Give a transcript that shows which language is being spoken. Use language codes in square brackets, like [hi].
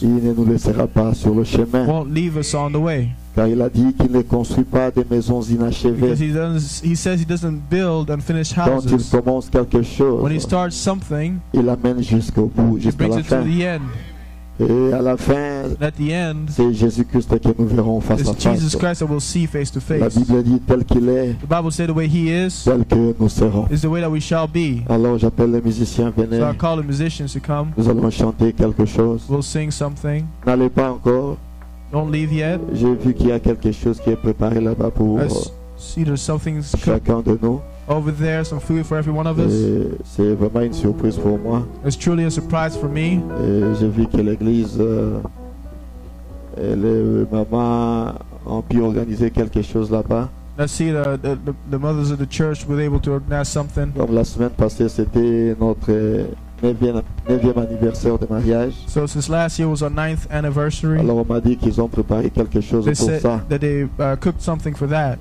[fr] Il ne nous laissera pas sur le chemin. [en] Won't leave us on the way. [fr] Car il a dit qu'il ne construit pas des maisons inachevées. [en] Because he says he doesn't build unfinished houses. [fr] Quand il commence quelque chose, [en] when he starts something, [fr] il l'amène jusqu'au bout, jusqu'à la fin. [en] He brings it to the end. [fr] Et à la fin, [en] at the end, [fr] c'est Jésus-Christ que nous verrons face à face. [en] Jesus Christ that we'll see face to face. [fr] La Bible dit tel qu'il est. [en] The Bible says the way he is. [fr] Tel que nous serons. [en] Is the way that we shall be. [fr] Alors j'appelle les musiciens venez. [en] So I call the musicians to come. [fr] Nous allons chanter quelque chose. [en] We'll sing something. [fr] N'allez pas encore. [en] Don't leave yet. [fr] J'ai vu qu'il y a quelque chose qui est préparé là-bas pour [en] see, [fr] chacun de nous. [en] over there, some food for every one of us. [fr] C'est vraiment une surprise pour moi. [en] It's truly a surprise for me. [fr] J'ai vu que l'église elle est vraiment en pu organiser quelque chose là-bas. [en] I see the mothers of the church were able to organize something. [fr] Comme la semaine passée, c'était notre 9e anniversaire de mariage. [en] So since last year was our 9th anniversary. [fr] Alors on m'a dit qu'ils ont préparé quelque chose pour ça. [en] They said that they cooked something for that.